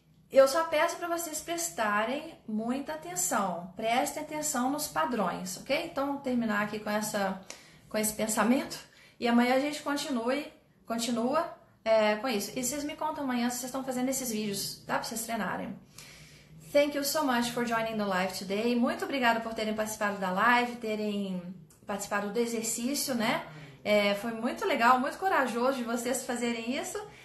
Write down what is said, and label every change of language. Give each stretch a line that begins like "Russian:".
Portuguese: Eu só peço para vocês prestarem muita atenção, prestem atenção nos padrões, ok? Então, vou terminar aqui com esse pensamento e amanhã a gente continua. Com isso. E vocês me contam amanhã se vocês estão fazendo esses vídeos, tá? Pra vocês treinarem.
English: Thank you so much for joining the live today.
Portuguese: Muito obrigada por terem participado da live, terem participado do exercício, né? Foi muito legal, muito corajoso de vocês fazerem isso.